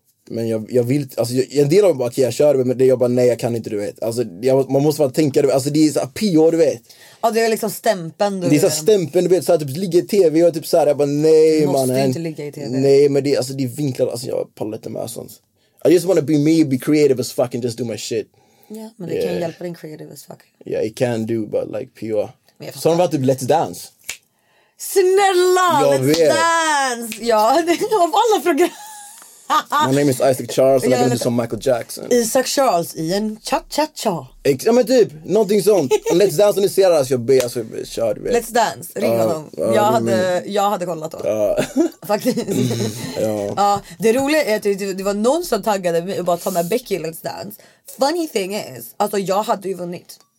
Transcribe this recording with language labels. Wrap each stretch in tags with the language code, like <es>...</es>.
<sv>Men jag vill, alltså jag, en del av dem bara, okay, jag kör det, men det, jag bara, nej, jag kan inte, du vet. Alltså jag, man måste bara tänka, du vet, alltså det är så här PO, du vet. Ja, det är liksom stämpeln, du vet. Det är så här stämpeln, du vet, så här, typ ligger i tv och typ så här, jag bara, nej, måste man. Måste inte ligga i tv. Nej, men det, alltså, det är vinklar, alltså jag pallar lite med sånt.</sv> <en>I just want to be me, be creative as fuck and just do my shit.</en> <sv>Ja, men det kan hjälpa din</sv> <en>creative as fuck. Ja, yeah, it can do, but like PR.</en> <sv>Så har de varit typ Let's Dance. Snälla, jag Let's Dance! Ja, av alla program.</sv> <en>My name is Isaac Charles and I'm going to do some Michael Jackson.</en> <sv>Isaac Charles i en cha-cha-cha. Ja, men typ, någonting sånt. Let's Dance när ni ser det här, så jag ber, så kör du. Let's Dance, ring honom. Jag hade kollat då. Faktiskt. Ja. Det roliga är att det var någon som taggade mig och bara ta med Becky i Let's Dance.</sv> <en>Funny thing is,</en> <sv>alltså jag hade ju vunnit.</sv>